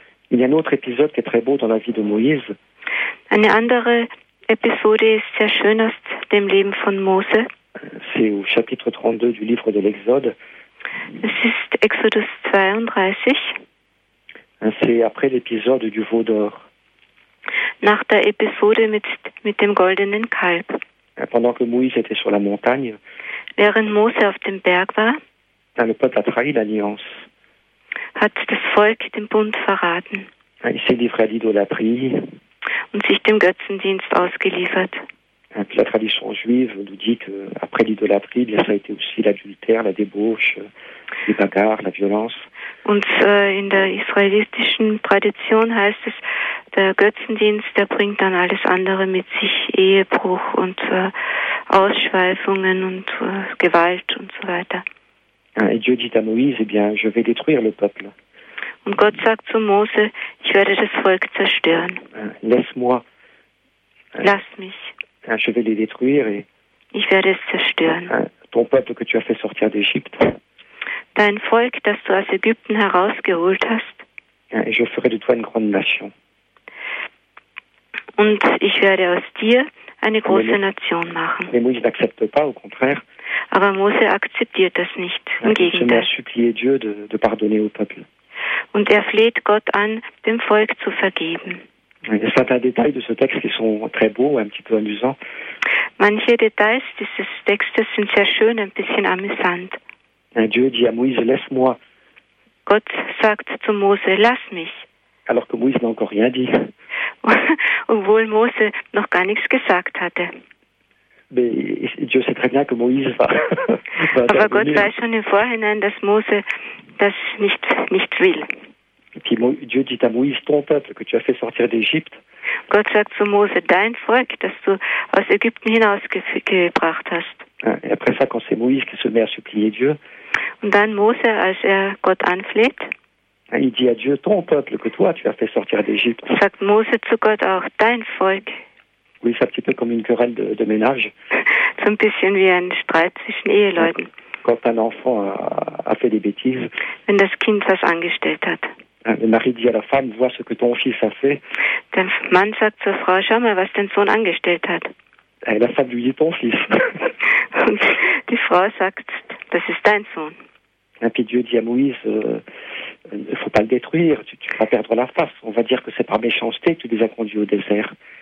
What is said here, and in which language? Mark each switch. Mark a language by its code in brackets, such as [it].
[fr] Il y a un autre épisode qui est très beau dans la vie de Moïse. [de] Eine andere Episode ist sehr schön aus dem Leben von Mose. [fr] C'est au chapitre 32 du livre de l'Exode. [de] Es ist Exodus 32. [fr] C'est après l'épisode du veau d'or. [de] Nach der Episode mit dem goldenen Kalb. [fr] Pendant que Moïse était sur la montagne. [de] Während Mose auf dem Berg war. [fr] Le peuple a trahi l'alliance. [de] Hat das Volk den Bund verraten. [fr] Il s'est livré à l'idolâtrie. [de] Und sich dem Götzendienst ausgeliefert. [fr] Et puis la tradition juive nous dit qu'après l'idolâtrie, bien, ça a été aussi l'adultère, la débauche, les bagarres, la violence. [de] Und in der israelitischen Tradition heißt es, der Götzendienst, der bringt dann alles andere mit sich, Ehebruch und Ausschweifungen und Gewalt und so weiter. [fr] Et Dieu dit à Moïse, eh bien, je vais détruire le peuple. [de] Und Gott sagt zu Mose, ich werde das Volk zerstören. [fr] Laisse-moi. [de] Lass mich. [fr] Je vais les détruire et. [de] Ich werde es zerstören. [fr] Ton peuple que tu as fait sortir d'Égypte. [de] dein Volk, das du aus Ägypten herausgeholt hast. [fr] Ja, et je ferai de toi une grande nation. [de] Und ich werde aus dir eine große Nation machen. [fr] Mais Moïse n'accepte pas, au contraire. [de] Aber Mose akzeptiert das nicht, im Gegenteil. [fr] Il a supplié Dieu de pardonner au peuple. [de] Und fleht Gott an, dem Volk zu vergeben. [fr] Certains détails de ce texte qui sont très beaux, un petit peu amusants. [de] Manche Details dieses Textes sind sehr schön, ein bisschen amüsant. [fr] Dieu dit à Moïse, laisse-moi. [de] Gott sagt zu Mose, lass mich. [fr] Alors que Moïse n'a encore rien dit. [de] Obwohl Mose noch gar nichts gesagt hatte. [fr] Mais Dieu sait très bien que Moïse va. [de] Aber Gott weiß schon im Vorhinein, dass Mose das nicht will. [fr] Puis Dieu dit à Moïse, ton peuple que tu as fait sortir d'Égypte. [de] Gott sagt zu Mose, dein Volk, das du aus Ägypten hinausgebracht hast. [fr] Et après ça, quand c'est Moïse qui se met à supplier Dieu. [de] Und dann Mose, als Gott anfleht. [fr] Il dit à Dieu, ton peuple que toi tu as fait sortir d'Égypte. [de] Sagt Mose zu Gott auch, dein Volk. [fr] Oui, c'est un petit peu comme une querelle de ménage. [de] So ein bisschen wie ein Streit zwischen Eheleuten. [fr] Quand un enfant a fait des bêtises. [de] Wenn das Kind was angestellt hat. [fr] Le mari dit à la femme, vois ce que ton fils a fait. [de] Der Mann sagt zur Frau, schau mal, was dein Sohn angestellt hat. [fr] Et la femme lui dit, ton fils. [de] Und die Frau sagt, das ist dein Sohn. [fr] Et puis Dieu dit à Moïse, il ne faut pas le détruire, tu vas perdre la face. On va dire que c'est par méchanceté que tu les as conduits au désert.